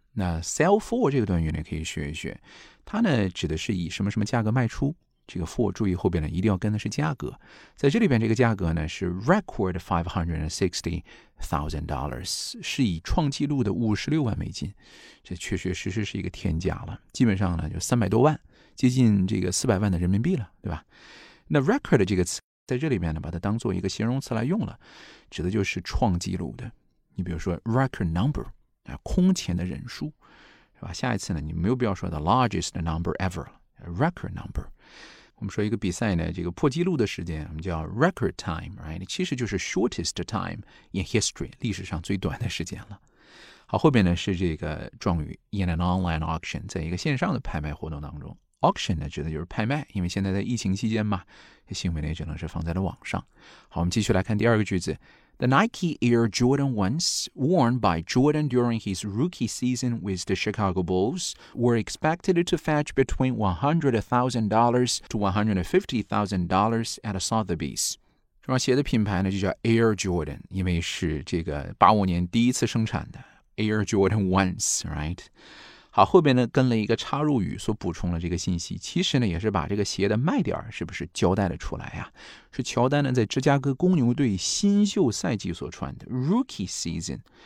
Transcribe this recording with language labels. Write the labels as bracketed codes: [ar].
[zh] 那 sell for 这个短语呢可以学一学，它呢指的是以什么什么价格卖出，这个 for 注意后边呢一定要跟的是价格，在这里边这个价格呢是 record $560,000， 是以创纪录的$560,000，这确确实实是一个天价了，基本上呢就300多万，接近这个400万的人民币了，对吧？那 record 这个词在这里面呢把它当做一个形容词来用了，指的就是创纪录的，你比如说 record number，空前的人数，是吧？下一次呢你没有必要说 [en] the largest number ever， [zh] record number。我们说一个比赛呢，这个破纪录的时间我们叫 record time， right？其实就是 [en] shortest time in history， [zh] 历史上最短的时间了。好，后面呢是这个状语 [en] in an online auction， [zh] 在一个线上的拍卖活动当中。 auction 呢指的就是拍卖，因为现在在疫情期间嘛，行为呢只能是放在了网上。好，我们继续来看第二个句子。 [en] The Nike Air Jordan 1s worn by Jordan during his rookie season with the Chicago Bulls were expected to fetch between $100,000 to $150,000 at Sotheby's. [zh] 这双鞋的品牌呢就叫 Air Jordan， 因为是这个85年第一次生产的 Air Jordan 1s, right? 好，后边呢跟了一个插入语所补充了这个信息，其实呢也是把这个鞋的卖点是不是交代了出来啊，是乔丹呢在芝加哥公牛队新秀赛季所穿的 Rookie Season。